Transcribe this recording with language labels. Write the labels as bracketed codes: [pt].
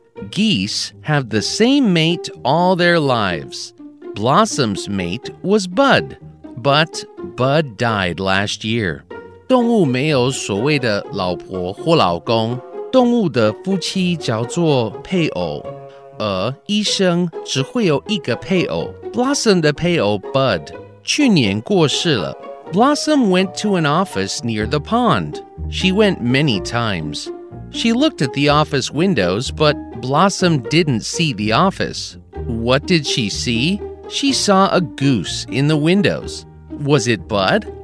[en] Geese have the same mate all their lives. Blossom's mate was Bud, but Bud died last year. [zh] 动物没有所谓的老婆或老公，动物的夫妻叫做配偶，而一生只会有一个配偶。 Blossom 的配偶 Bud 去年过世了。 [en] Blossom went to an office near the pond. She went many times. She looked at the office windows, but Blossom didn't see the office. What did she see? She saw a goose in the windows. Was it Bud?